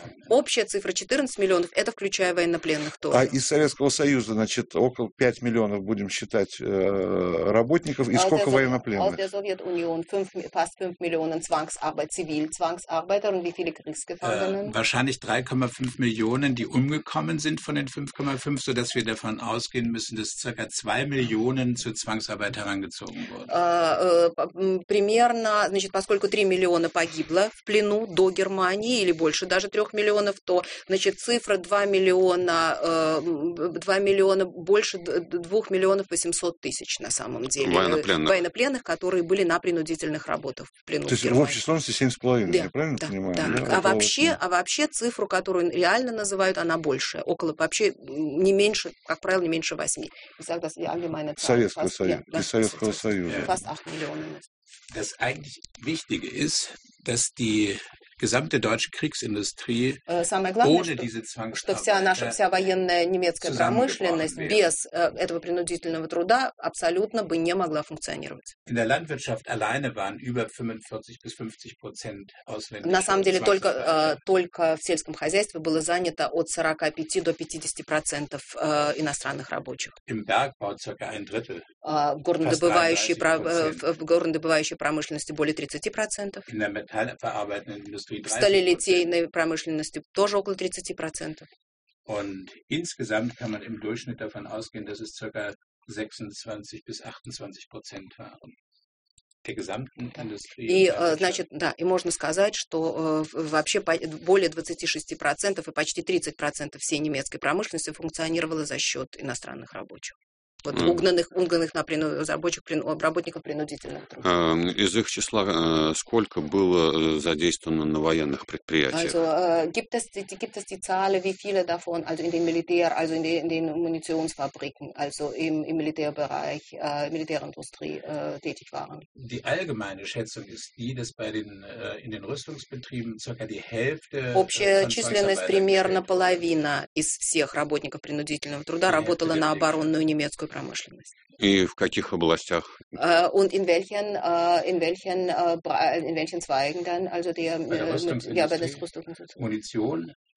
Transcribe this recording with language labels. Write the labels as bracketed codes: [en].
[ru] Общая цифра 14 миллионов, это включая военнопленных тоже. А из Советского Союза, значит, около 5 миллионов, будем считать, работников, и сколько военнопленных? [de] Aus der Sowjetunion, fast 5 Millionen Zwangsarbeit, Zivilzwangsarbeiter, und wie viele Kriegsgefangenen? Wahrscheinlich 3,5 Millionen, die umgekommen sind von den 5,5, sodass wir davon ausgehen müssen, dass ca. 2 Millionen zur Zwangsarbeit herangezogen wurden. [ru] Примерно, значит, поскольку 3 миллиона погибло, в плену до Германии, или больше даже 3 миллионов, то, значит, цифра 2 миллиона, больше 2 миллионов 800 тысяч, на самом деле. Военнопленных. Военнопленных, которые были на принудительных работах в плену. То есть в общей сложности 7,5, да, я правильно, да, понимаю? Да. А вообще цифру, которую реально называют, она больше. Около, вообще, не меньше, как правило, не меньше 8. Советского Союза. Фас 8 миллионов. [de] Das eigentlich Wichtige ist, dass die gesamte deutsche Kriegsindustrie ohne diese Zwangsarbeit, [ru] вся наша, вся военная немецкая промышленность без этого принудительного труда абсолютно бы не могла функционировать. [de] In der Landwirtschaft alleine waren über 45-50% ausländische. [ru] На самом деле только в сельском хозяйстве было занято от 45 до 50% иностранных рабочих. [de] Im Bergbau circa ein Drittel. [ru] В горнодобывающей промышленности более 30%. [de] In der metallverarbeitenden. [ru] В сталелитейной промышленности тоже около 30%. [de] Und insgesamt kann man im Durchschnitt davon ausgehen, dass es ca. 26-28% waren. Der gesamten Industrie. [ru] И, значит, да, и можно сказать, что вообще более 26% и почти 30% всей немецкой промышленности функционировало за счет иностранных рабочих. Вот угнанных на работников принудительных трудов. Из их числа сколько было задействовано на военных предприятиях? [de] Gibt es die Zahlen, wie viele davon, also in den Militär, also in den Munitionsfabriken, also im Militärbereich, Militärindustrie tätig waren? Die allgemeine Schätzung ist die, dass bei den in den Rüstungsbetrieben circa die Hälfte. [ru] Общая численность примерно половина из всех работников принудительного труда работала на оборонную немецкую промышленность. И в каких областях? [de] Und in welchen Zweigen dann, also der Rüstungsindustrie, Munition,